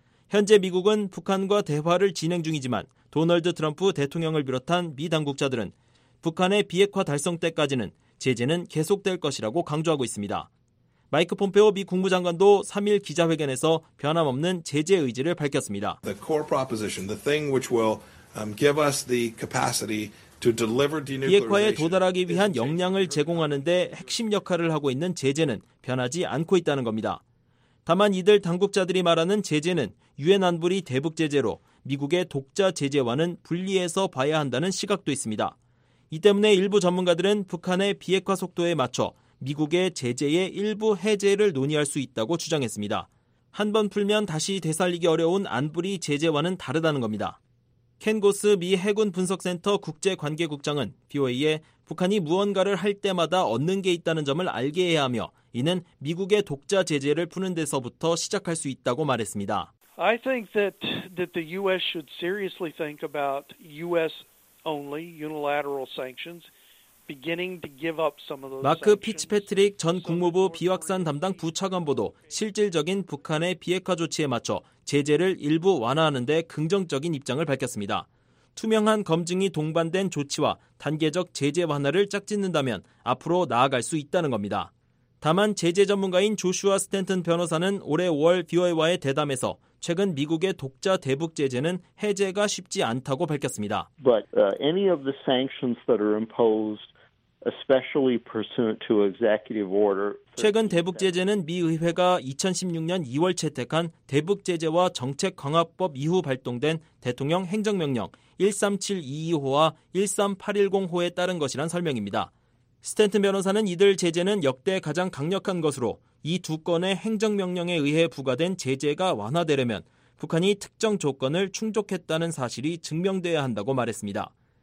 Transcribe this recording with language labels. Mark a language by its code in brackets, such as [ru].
[ko] 현재 미국은 북한과 대화를 진행 중이지만 도널드 트럼프 대통령을 비롯한 미 당국자들은 북한의 비핵화 달성 때까지는 제재는 계속될 것이라고 강조하고 있습니다. 마이크 폼페오 미 국무장관도 3일 기자회견에서 변함없는 제재 의지를 밝혔습니다. [en] The core proposition, the thing which will give us the capacity to deliver denuclearization. [ko] 비핵화에 도달하기 위한 역량을 제공하는 데 핵심 역할을 하고 있는 제재는 변하지 않고 있다는 겁니다. 다만 이들 당국자들이 말하는 제재는 유엔 안보리 대북 제재로 미국의 독자 제재와는 분리해서 봐야 한다는 시각도 있습니다. 이 때문에 일부 전문가들은 북한의 비핵화 속도에 맞춰 미국의 제재의 일부 해제를 논의할 수 있다고 주장했습니다. 한번 풀면 다시 되살리기 어려운 안보리 제재와는 다르다는 겁니다. 켄 고스 미 해군 분석센터 국제관계국장은 VOA에 북한이 무언가를 할 때마다 얻는 게 있다는 점을 알게 해야 하며 이는 미국의 독자 제재를 푸는 데서부터 시작할 수 있다고 말했습니다. [en] I think that the U.S. should seriously think about U.S. only unilateral sanctions, beginning to give up some of those. [ko] 마크 피츠패트릭 전 국무부 비확산 담당 부차관보도 실질적인 북한의 비핵화 조치에 맞춰 제재를 일부 완화하는 데 긍정적인 입장을 밝혔습니다. 투명한 검증이 동반된 조치와 단계적 제재 완화를 짝짓는다면 앞으로 나아갈 수 있다는 겁니다. 다만 제재 전문가인 조슈아 스탠튼 변호사는 올해 5월 VOA와의 대담에서 최근 미국의 독자 대북 제재는 해제가 쉽지 않다고 밝혔습니다. [en] But any of the sanctions that are imposed especially pursuant to executive order. [ko] 최근 대북 제재는 미 의회가 2016년 2월 채택한 대북 제재와 정책 강화법 이후 발동된 대통령 행정명령 13722호와 13810호에 따른 것이란 설명입니다. 스탠튼 변호사는 이들 제재는 역대 가장 강력한 것으로 이 두 건의 행정명령에 의해 부과된 제재가 완화되려면 북한이 특정 조건을 충족했다는 사실이 증명돼야 한다고 말했습니다.